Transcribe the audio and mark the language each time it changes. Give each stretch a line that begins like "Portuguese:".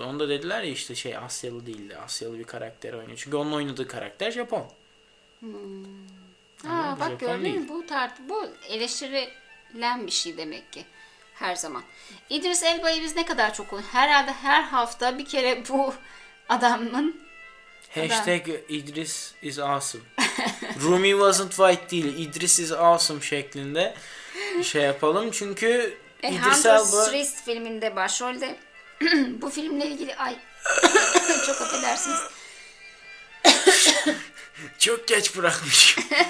Turkish: Onu da dediler ya işte şey, Asyalı değildi. Asyalı bir karakter oynuyor. Çünkü onun oynadığı karakter Japon. Ha, bu bak Japon gördün mü? Bu eleştirilen bir şey demek ki her zaman. İdris Elba'yı biz ne kadar çok konuşuyoruz. Herhalde her hafta bir kere bu adamın...
English: Hashtag Idris is awesome. Rumi wasn't white
Turkish: değil,
English: Idris is awesome
Turkish: şeklinde şey yapalım. Çünkü Idris Elba... Hunter Street filminde başrolde. Bu filmle ilgili... Ay çok affedersiniz. Çok geç bırakmışım.